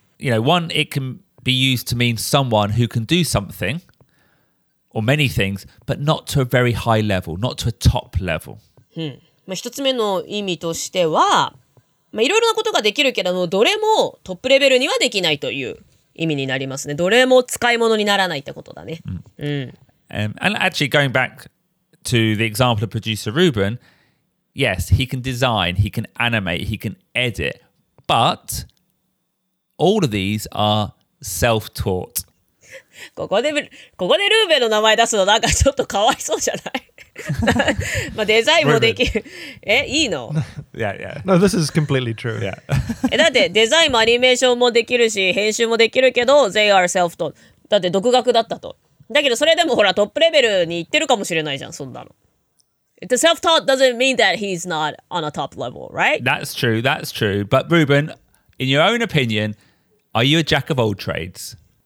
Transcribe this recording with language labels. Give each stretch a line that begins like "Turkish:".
English: You know, one, it can be used to mean someone who can do something or many things, but not to a very high level, not to a top level.
Japanese: まあ一つ目の意味としては。まあ、いろいろなことができるけど、どれもトップレベルにはできないという意味になりますね。どれも使い物にならないってことだね。
English: And actually, going back to the example of producer Ruben, yes, he can design, he can animate, he can edit, but all of these are self-taught.
Japanese: ここでルーベンの名前出すのなんかちょっとかわいそうじゃない? まあデザインもできる。いいの?
English: Yeah, yeah. No, this is completely true. Yeah.
Japanese: だってデザインもアニメーションもできるし、編集もできるけど、
English: they are self-taught。
Japanese: だって独学だったと。だけどそれでもほら、トップレベルに行ってるかもしれないじゃん、そんなの。
English: The self-taught doesn't mean that he's not on a top level, right? That's true, that's true. But Ruben, in your own opinion, are you a jack of all trades?